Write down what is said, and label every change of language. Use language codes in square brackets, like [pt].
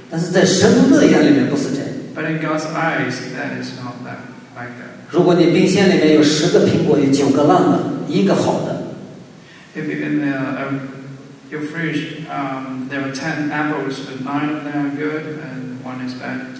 [zh] 但是在神的眼里面不是这样。 [en] But in God's eyes, that is not that, like that. [zh] 如果你冰箱里面有10个苹果，有9个烂的，1个好的。 [en] If in your fridge, there are 10 apples, but 9 of them are good, and 1 is bad.